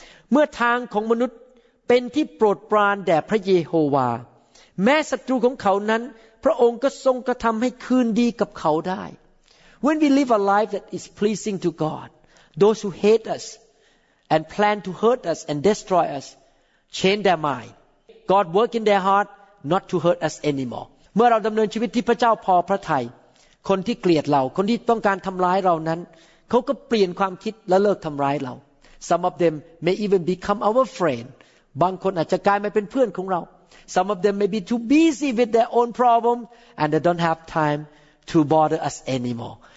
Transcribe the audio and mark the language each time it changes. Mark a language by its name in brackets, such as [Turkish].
[Thai] เมื่อทางของมนุษย์เป็นที่โปรดปรานแด่พระเยโฮวาแม้ศัตรูของเขานั้นพระองค์ก็ทรงกระทำให้คืนดีกับเขาได้ [English] When we live a life that is pleasing to GodThose who hate us and plan to hurt us and destroy us change their mind. God work in their heart not to hurt us anymore. [Thai] เมื่อเราดำเนินชีวิตที่พระเจ้าพอพระทัยคนที่เกลียดเราคนที่ต้องการทำร้ายเรานั้นเขาก็เปลี่ยนความคิดและเลิกทำร้ายเรา [English] Some of them may even become our friend. [Thai] บางคนอาจจะกลายมาเป็นเพื่อนของเรา [English] Some of them may be too busy with their own problem and they don't have time to bother us anymore.